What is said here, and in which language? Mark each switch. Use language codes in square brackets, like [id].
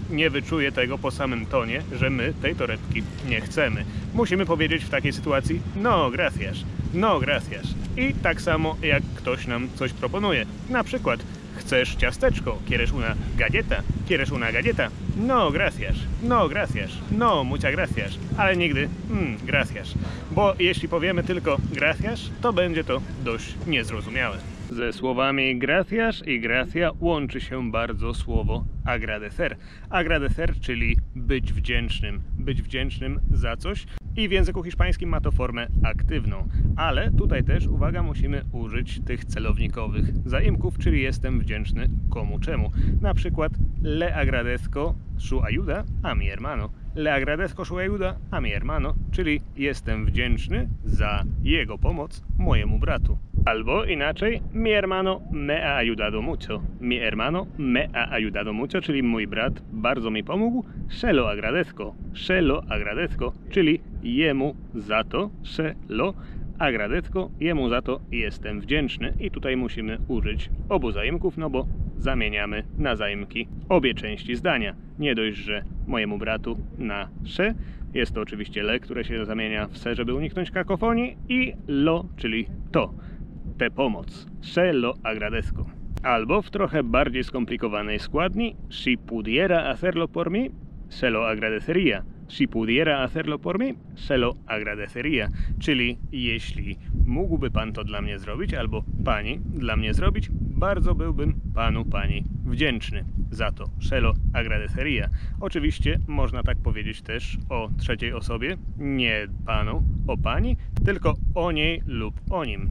[pl] Nie wyczuje tego po samym tonie, że my tej torebki nie chcemy. Musimy powiedzieć w takiej sytuacji [es] no gracias, no gracias. [pl] I tak samo jak ktoś nam coś proponuje, na przykład chcesz ciasteczko, [es] quieres una galleta, quieres una galleta. No, gracias, no, gracias, no, mucha gracias, [pl] ale nigdy [es] gracias. [pl] Bo jeśli powiemy tylko gracias, to będzie to dość niezrozumiałe. Ze słowami gracias i gracia łączy się bardzo słowo agradecer. Agradecer, czyli być wdzięcznym za coś. I w języku hiszpańskim ma to formę aktywną. Ale tutaj też, uwaga, musimy użyć tych celownikowych zaimków, czyli jestem wdzięczny komu czemu. Na przykład, [es] le agradezco su ayuda a mi hermano. Le agradezco su ayuda a mi hermano, [pl] czyli jestem wdzięczny za jego pomoc mojemu bratu. Albo inaczej, [es] mi hermano me ha ayudado mucho. Mi hermano me ha ayudado mucho, [pl] czyli mój brat bardzo mi pomógł. [es] Se lo agradezco, [pl] czyli jemu za to, se lo agradezco, jemu za to jestem wdzięczny. I tutaj musimy użyć obu zaimków, no bo zamieniamy na zaimki obie części zdania. Nie dość, że mojemu bratu na se, jest to oczywiście le, które się zamienia w se, żeby uniknąć kakofonii, i lo, czyli to. Te pomoc. [es] Se lo agradezco. [pl] Albo w trochę bardziej skomplikowanej składni. [es] Si pudiera hacerlo por mi, se lo agradecería. Si pudiera hacerlo por mi, se lo agradecería. [pl] Czyli jeśli mógłby pan to dla mnie zrobić, albo pani dla mnie zrobić, bardzo byłbym panu, pani wdzięczny za to. [es] Se lo agradecería. [pl] Oczywiście można tak powiedzieć też o trzeciej osobie, nie panu, o pani, tylko o niej lub o nim.